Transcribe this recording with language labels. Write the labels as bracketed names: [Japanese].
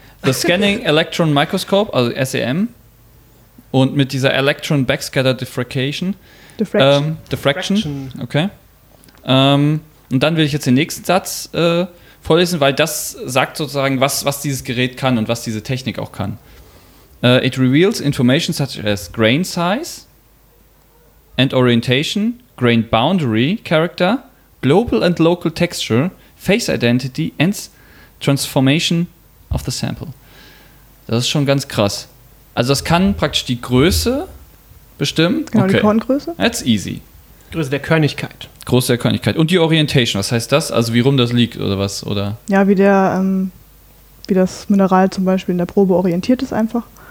[English] The Scanning Electron Microscope, also SEM, und mit dieser Electron Backscatter Diffraction. Diffraction. [German] Okay. Und dann will ich jetzt den nächsten Satz vorlesen, weil das sagt sozusagen, was dieses Gerät kann und was diese Technik auch kann. [English] It reveals information such as grain size and orientation, grain boundary character, global and local texture, phase identity and transformation of the sample. [German] Das ist schon ganz krass. Also das kann praktisch die Größe bestimmen. Genau, okay. Die Korngröße. [English] That's easy. [German] Größe der Körnigkeit. Größe der Körnigkeit. Und die Orientation, was heißt das? Also wie rum das liegt oder was? Oder? Ja, wie das Mineral zum Beispiel in der Probe orientiert ist einfach.